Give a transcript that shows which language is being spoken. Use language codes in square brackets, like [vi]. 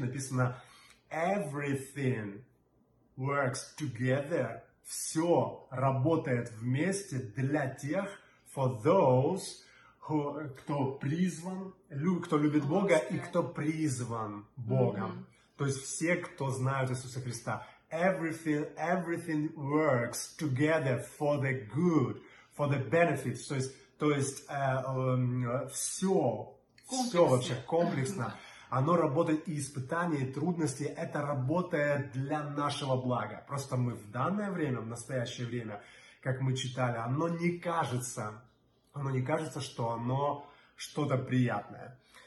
[ru] Написано «Everything works together», «Все работает вместе для тех», «for those», кто призван, кто любит Бога и кто призван Богом. Mm-hmm. То есть все, кто знают Иисуса Христа. [en] Everything works together for the good, for the benefits. [ru] То есть все вообще комплексно. Оно работает, и испытания, и трудности, это работает для нашего блага. Просто мы в данное время, в настоящее время, как мы читали, оно не кажется, что оно что-то приятное.